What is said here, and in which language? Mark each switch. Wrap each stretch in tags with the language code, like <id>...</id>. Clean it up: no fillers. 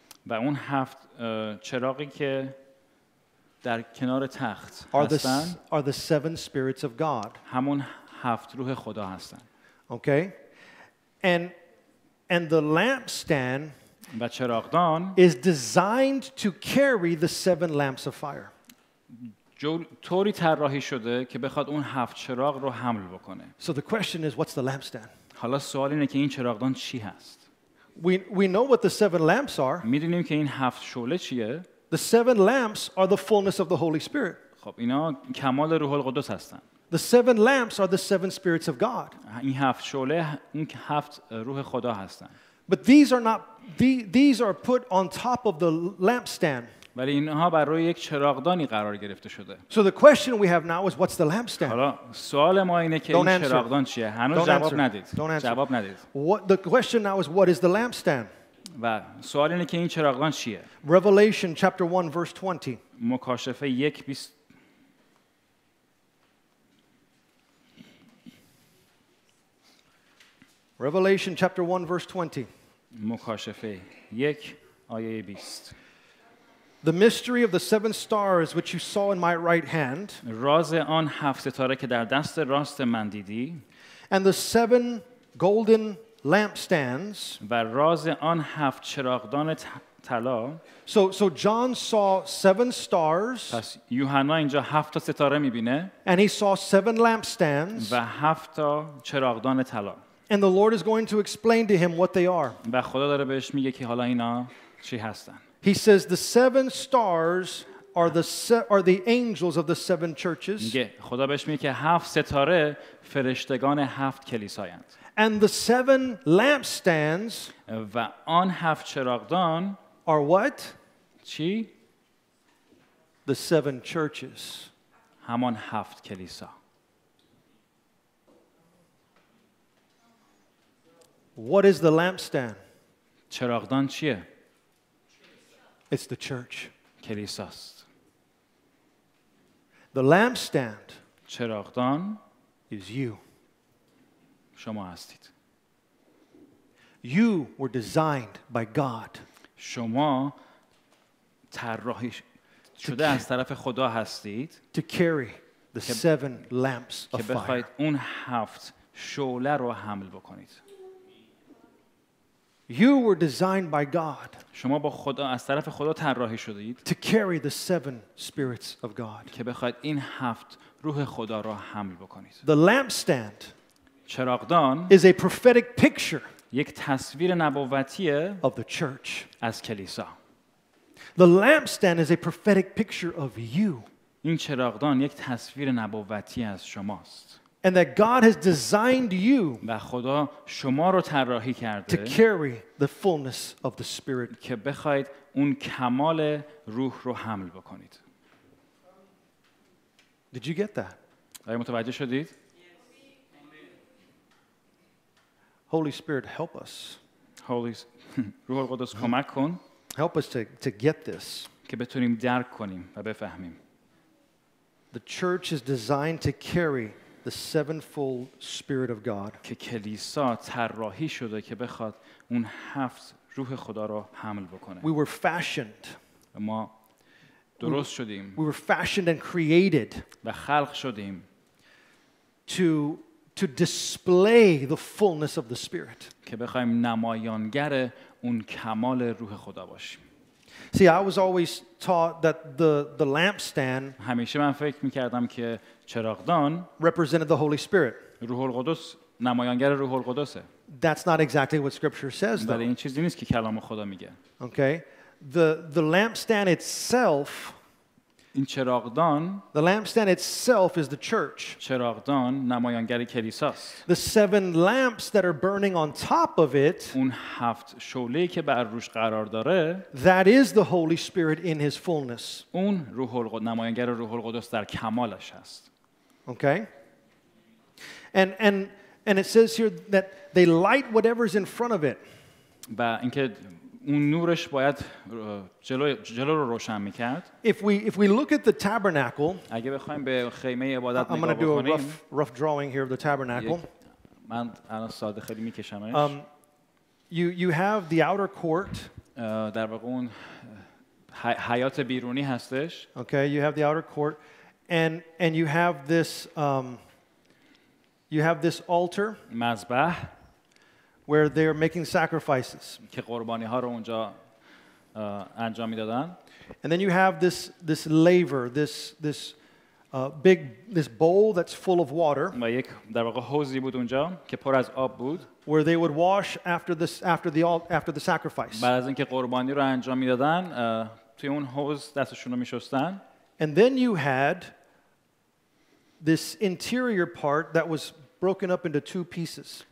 <fa>و اون هفت چراغی که در کنار تخت هستن.</fa> <en>Are the seven spirits of God.</en> <fa>همون هفت روح خدا هستن.</fa> <en>Okay. And the lampstand.</en> <fa>و چراغدان.</fa> <en>Is designed to carry the seven lamps of fire.</en> <fa>طوری طراحی شده که بخواد اون هفت چراغ رو حمل بکنه.</fa> <en>So the question is, what's the lampstand?</en> <fa>حالا سوال اینه که این چراغدان چی هست؟</fa> <en>We know what the seven lamps are.</en> <fa>می‌دونیم که این هفت شعله چیه؟</fa> <en>The seven lamps are the fullness of the Holy Spirit.</en> <fa>خب اینا کمال روح القدس هستن.</fa> <en>The seven lamps are the seven spirits of God.</en> <fa>این هفت شعله اون هفت روح خدا هستن.</fa> <en>But these are put on top of the lampstand.</en> <fa>ولی اینها بر روی یک چراغدانی قرار گرفته شده.</fa> <en>So the question we have now is, what's the lampstand?</en> <fa>حالا سوال ما اینه که این چراغدان چیه؟ هنوز جواب ندید. جواب ندید.</fa> <en>What the question now is, what is the lampstand?</en> <fa>و سوال اینه که این چراغدان چیه؟</fa> <en>Revelation chapter 1 verse 20.</en> <fa>مکاشفه 1:20.</fa> <en>Revelation chapter 1 verse 20.</en> <fa>مکاشفه 1 آیه 20.</fa> <en>The mystery of the seven stars which you saw in my right hand.</en> <fa>راز آن هفت ستاره که در دست راست من دیدی.</fa> <en>And the seven golden lampstands.</en> <fa>و راز آن هفت چراغدان طلا.</fa> <en>So John saw seven stars.</en> <fa>پس یوحنا اینجا هفت ستاره می‌بینه.</fa> <en>And he saw seven lampstands.</en> <fa>و هفت چراغدان طلا.</fa> <en>And the Lord is going to explain to him what they are.</en> <fa>و خدا داره بهش میگه که حالا اینا چی هستن.</fa> <en>He says the seven stars are the angels of the seven churches.</en> <fa>خدا بهش میگه که هفت ستاره فرشتگان هفت کلیسایند.</fa> <en>And the seven lampstands</en> <fa>و آن هفت چراغدان</fa> <en>are what?</en> <fa>چی؟</fa> <en>The seven churches.</en> <fa>همان هفت کلیسا.</fa> <en>What is the lampstand?</en> <fa>چراغدان چیه؟</fa> <en>It's the church.</en> <fa>کلیساست.</fa> <en>The lampstand.</en> <fa>چراغدان.</fa> <en>Is you.</en> <fa>شما هستید.</fa> <en>You were designed by God.</en> <fa>شما طراحی شده از طرف خدا هستید.</fa> <en>To carry the seven lamps of fire.</en> <fa>که بخواید اون هفت شعله رو حمل بکنید.</fa> <en>You were designed by God.</en> <fa>شما با خدا از طرف خدا طراحی شدید.</fa> <en>To carry the seven spirits of God.</en> <fa>که بخواید این هفت روح خدا را حمل بکنید.</fa> <en>The lampstand.</en> <fa>چراغدان.</fa> <en>Is a prophetic picture.</en> <fa>یک تصویر نبوتی.</fa> <en>Of the church.</en> <fa>از کلیسا.</fa> <en>The lampstand is a prophetic picture of you.</en> <fa>این چراغدان یک تصویر نبوتی از شماست.</fa> <en>And that God has designed you</en> <fa>و خدا شما رو طراحی کرده</fa> <en>to carry the fullness of the Spirit.</en> <fa>که بخواید اون کمال روح رو حمل بکنید.</fa> <en>Did you get that?</en> <fa>آیا متوجه شدید؟</fa> <en>Holy Spirit, help us.</en> <fa>Holy روح القدس کمک کن.</fa> <en>Help us to get this.</en> <fa>که بتونیم درک کنیم و بفهمیم.</fa> <en>The church is designed to carry the sevenfold Spirit of God.</en> <fa>که کلیسا طراحی شده که بخواد اون هفت روح خدا رو حمل بکنه.</fa> <en>We were fashioned.</en> <fa>ما درست شدیم.</fa> <en>We were fashioned and created.</en> <fa>و خلق شدیم.</fa> <en>To display the fullness of the Spirit.</en> <fa>که بخوایم نمایانگر اون کمال روح خدا باشیم.</fa> <en>See, I was always taught that the lampstand</en> <fa>همیشه من فکر می‌کردم که چراغدان</fa> <en>represented the Holy Spirit.</en> <fa>روح القدس نمایانگر روح القدسه.</fa> <en>That's not exactly what Scripture says, though.</en> <fa>ولی این چیزی نیست که کلام خدا میگه.</fa> <en>Okay, the lampstand itself.</en> <fa>این چراغدان.</fa> <en>The lampstand itself is the church.</en> <fa>چراغدان نمایانگر کلیساست.</fa> <en>The seven lamps that are burning on top of it.</en> <fa>اون هفت شعله‌ای که بر روش قرار داره.</fa> <en>That is the Holy Spirit in His fullness.</en> <fa>اون روح القدس نمایانگر روح القدس در کمالش هست.</fa> <en>Okay. And it says here that they light whatever's in front of it.</en> <fa>و اینکه اون نورش باید جلو رو روشن می‌کرد.</fa> <en>If we look at the tabernacle,</en> <fa>اگه بخوایم به خیمه عبادت نگاه بکنیم.</fa> <en>I'm going to do a rough drawing here of the tabernacle.</en> <fa>من الان ساده خیلی می‌کشمش.</fa> <en>You have the outer court.</en> <fa>در واقع اون حیات بیرونی هستش.</fa> <en>Okay, you have the outer court and you have this you have this altar</en> <fa>مذبح</fa> <en>where they are making sacrifices</en> <fa>که قربانی ها رو اونجا انجام میدادن.</fa> <en>And then you have this laver, this big bowl that's full of water</en> <fa>و یک در واقع حوضی بود اونجا که پر از آب بود</fa> <en>where they would wash after the sacrifice</en> <fa>بعد از اینکه قربانی رو انجام میدادن توی اون حوض دستشون رو میشستن.</fa> <en>And then you had this interior part that was broken up into two pieces.</en>